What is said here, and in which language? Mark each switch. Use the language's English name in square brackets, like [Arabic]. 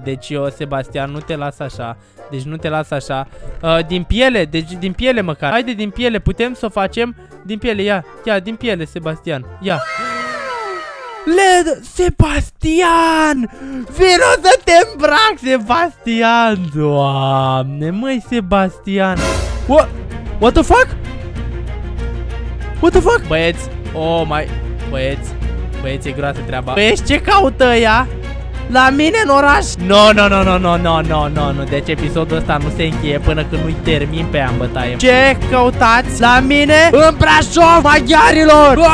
[Romanian] Deci eu, Sebastian, nu te las așa. Deci nu te las așa. Din piele, deci din piele măcar. Haide din piele, putem să o facem din piele. Ia, din piele, Sebastian. Ia. Sebastian, vino să te îmbrac, Sebastian. Doamne, măi, Sebastian. [English] What the fuck? What the fuck? [Romanian] Băieți, [English] oh my, [Romanian] băieți, e groasă treaba. Băieți, ce caută ea? La mine în oraș? [English] No. [Romanian] Deci episodul ăsta nu se încheie până când nu-i termin pe ea în bătaie. Ce căutați la mine în Brașov, maghiarilor?